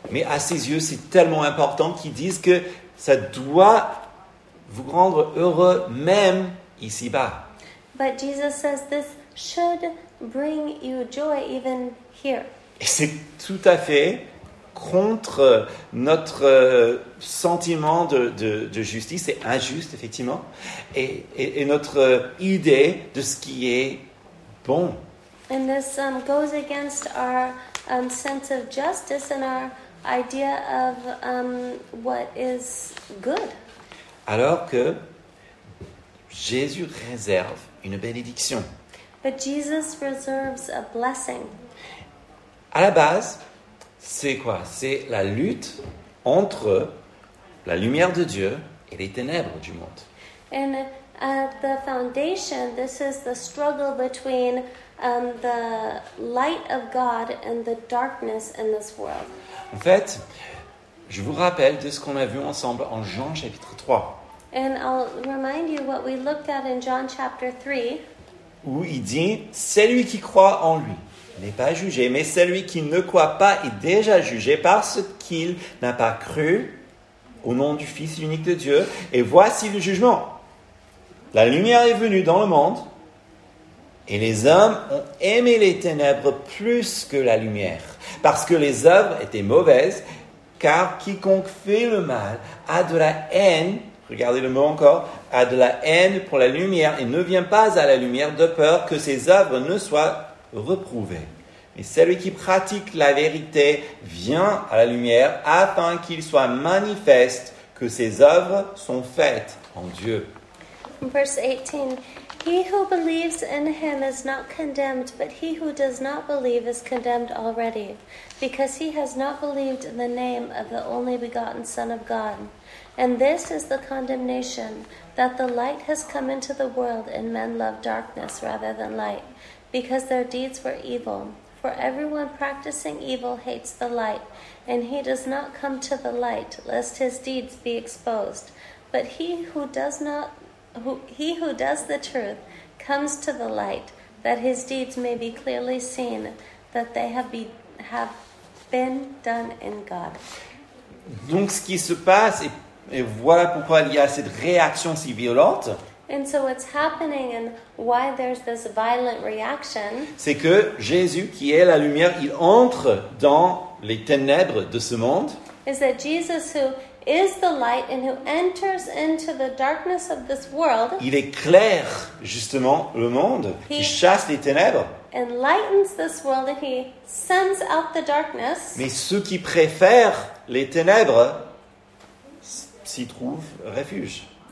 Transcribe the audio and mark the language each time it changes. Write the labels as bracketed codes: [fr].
[fr] Mais à ses yeux, c'est tellement important qu'ils disent que ça doit vous rendre heureux même ici-bas. [en] But Jesus says this should bring you joy even here. [fr] Et c'est tout à fait contre notre sentiment de justice, c'est injuste, effectivement, et notre idée de ce qui est bon. [en] And this goes against our sense of justice and our idea of what is good. [fr] Alors que Jésus réserve une bénédiction. [en] But Jesus reserves a blessing. [fr] À la base, c'est quoi? C'est la lutte entre la lumière de Dieu et les ténèbres du monde. [en] And at the foundation, this is the struggle between the light of God and the darkness in this world. [fr] En fait, je vous rappelle de ce qu'on a vu ensemble en Jean chapitre 3. [en] And I'll remind you what we looked at in John chapter 3. [fr] Où il dit, celui qui croit en lui n'est pas jugé, mais celui qui ne croit pas est déjà jugé parce qu'il n'a pas cru au nom du Fils unique de Dieu. Et voici le jugement. La lumière est venue dans le monde et les hommes ont aimé les ténèbres plus que la lumière parce que les œuvres étaient mauvaises, car quiconque fait le mal a de la haine, regardez le mot encore, a de la haine pour la lumière et ne vient pas à la lumière de peur que ses œuvres ne soient reprouvé. Mais celui qui pratique la vérité vient à la lumière afin qu'il soit manifeste que ses œuvres sont faites en Dieu. [en] Verse 18. He who believes in him is not condemned, but he who does not believe is condemned already, because he has not believed in the name of the only begotten Son of God. And this is the condemnation, that the light has come into the world and men love darkness rather than light, because their deeds were evil. For everyone practicing evil hates the light, and he does not come to the light, lest his deeds be exposed. But he who does the truth comes to the light, that his deeds may be clearly seen, that they have been done in God. [fr] Donc ce qui se passe, et Et voilà pourquoi il y a cette réaction si violente. [en] And so what's happening and why there's this violent reaction? [fr] C'est que Jésus, qui est la lumière, il entre dans les ténèbres de ce monde. [en] Is that Jesus who is the light and who enters into the darkness of this world? [fr] Il éclaire justement le monde. Il chasse les ténèbres. [en] Enlightens this world and he sends out the darkness. [fr] Mais ceux qui préfèrent les ténèbres s'y trouvent refuge.